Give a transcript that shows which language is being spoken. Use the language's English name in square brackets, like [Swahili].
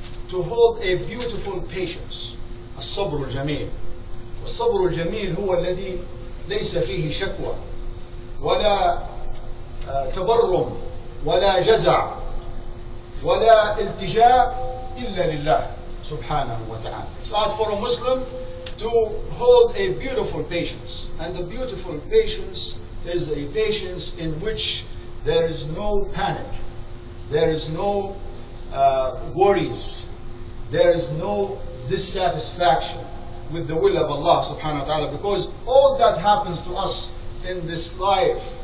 [English] to hold a beautiful patience. [Arabic] الصبر الجميل. والصبر الجميل هو الذي ليس فيه شكوى ولا تبرم ولا جزع ولا التجاء إلا لله سبحانه وتعالى. [English] It's hard for a Muslim to hold a beautiful patience. And the beautiful patience is a patience in which there is no panic, there is no worries, there is no dissatisfaction with the will of Allah subhanahu wa ta'ala, because all that happens to us in this life